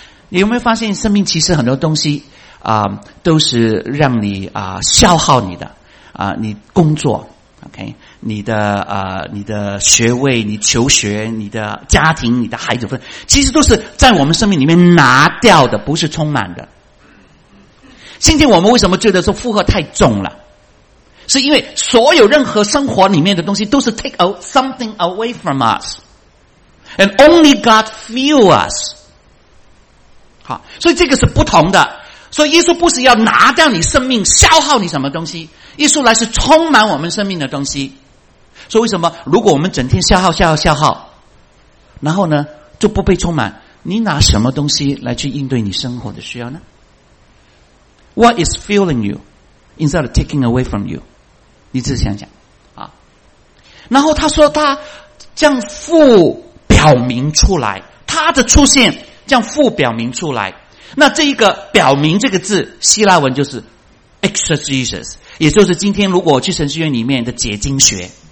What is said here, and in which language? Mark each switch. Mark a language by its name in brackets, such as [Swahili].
[Chinese] 你有没有发现生命其实很多东西啊都是让你啊消耗你的啊，你工作 ,OK, 你的学位，你求学，你的家庭，你的孩子分，其实都是在我们生命里面拿掉的，不是充满的。今天我们为什么觉得说负荷太重了？是因为所有任何生活里面的东西都是 [English] take out something away from us, and only God fill us. [Chinese] 好，所以这个是不同的。所以耶稣不是要拿掉你生命消耗你什么东西，耶稣来是充满我们生命的东西。所以为什么如果我们整天消耗消耗消耗，然后呢就不被充满，你拿什么东西来去应对你生活的需要呢？ [English] What is filling you instead of taking away from you? [Chinese] 你自己想想啊。然后他说他将父表明出来，他的出现将父表明出来。那这一个表明这个字希腊文就是 exegesis, 也就是今天如果我去神学院里面的解经学。